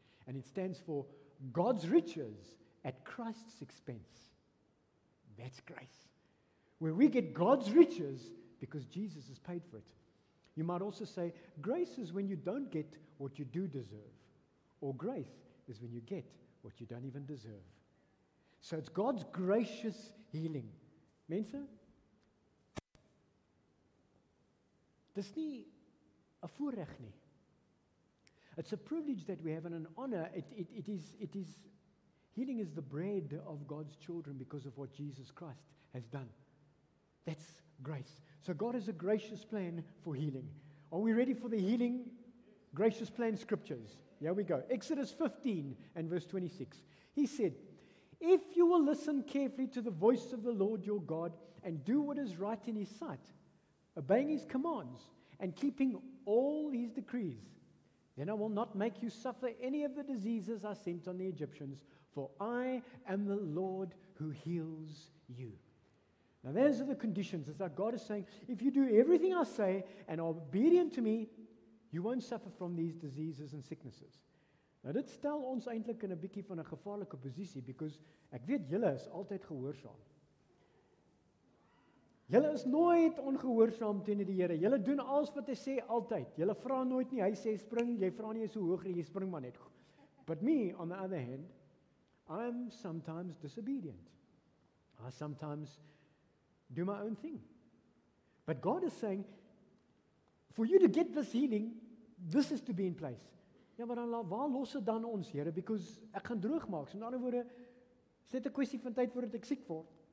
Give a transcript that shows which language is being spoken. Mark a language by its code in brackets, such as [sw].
[en] And it stands for God's riches at Christ's expense. That's grace. Where we get God's riches because Jesus has paid for it. You might also say, grace is when you don't get what you do deserve, or grace is when you get what you don't even deserve. So it's God's gracious healing. [af] Mense, dis nie 'n voorreg nie. [en] It's a privilege that we have and an honor. It is healing is the bread of God's children because of what Jesus Christ has done. That's grace. So God has a gracious plan for healing. Are we ready for the healing? Gracious plan scriptures. Here we go. Exodus 15 and verse 26. He said, if you will listen carefully to the voice of the Lord your God and do what is right in his sight, obeying his commands and keeping all his decrees, then I will not make you suffer any of the diseases I sent on the Egyptians, for I am the Lord who heals you. Now, those are the conditions. It's like God is saying, if you do everything I say and are obedient to me, you won't suffer from these diseases and sicknesses. [af] Nou dit stel ons eintlik in 'n bietjie van 'n gevaarlike posisie, because ek weet julle is altyd gehoorsaam. Julle is nooit ongehoorsaam teenoor die Here. Julle doen alles wat hy sê altyd. Julle vra nooit nie, hy sê spring, jy vra nie so hoog nie, jy spring maar net. [en] But me on the other hand, I'm sometimes disobedient. I sometimes do my own thing. But God is saying, for you to get this healing, this is to be in place. [af] Ja, maar dan waar los het dan ons, Here? Because ek gaan droog maak. So in ander woorde, is dit 'n kwestie van tyd voordat ek siek word?